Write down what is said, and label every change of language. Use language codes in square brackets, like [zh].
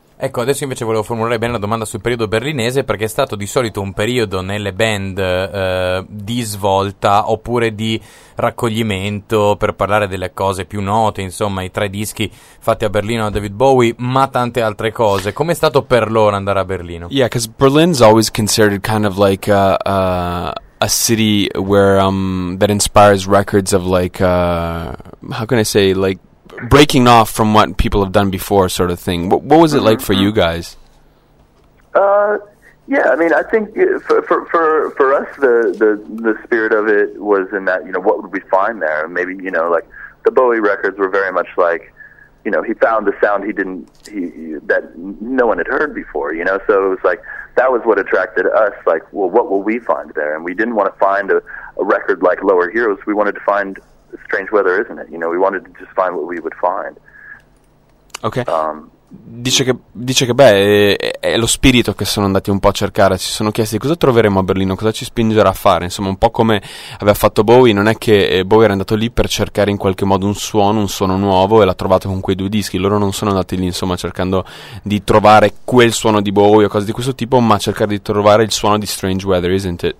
[it] Ecco, adesso invece volevo formulare bene la domanda sul periodo berlinese, perché è stato di solito un periodo nelle band di svolta oppure di raccoglimento, per parlare delle cose più note, insomma, i tre dischi fatti a Berlino da David Bowie, ma tante altre cose. Com'è stato per loro andare a Berlino? [en] Yeah, because Berlin's always considered kind of like a city where that inspires records of like how can I say, like breaking off from what people have done before, sort of thing. What was it like for you guys? Yeah, I mean, I think for us, the spirit of it was in that, you know, what would we find there? Maybe, you know, like the Bowie records were very much like, you know, he found the sound that no one had heard before, you know? So it was like, that was what attracted us, like, well, what will we find there? And we didn't want to find a record like Lower Heroes. We wanted to find Strange Weather, Isn't It? You know, we wanted to just find what we would find. Okay. [it] Dice che beh, è lo spirito che sono andati un po' a cercare. Si sono chiesti cosa troveremo a Berlino, cosa ci spingerà a fare, insomma, un po' come aveva fatto Bowie. Non è che Bowie era andato lì per cercare in qualche modo un suono nuovo e l'ha trovato con quei due dischi. Loro non sono andati lì, insomma, cercando di trovare quel suono di Bowie o cose di questo tipo, ma cercare di trovare il suono di Strange Weather, Isn't It?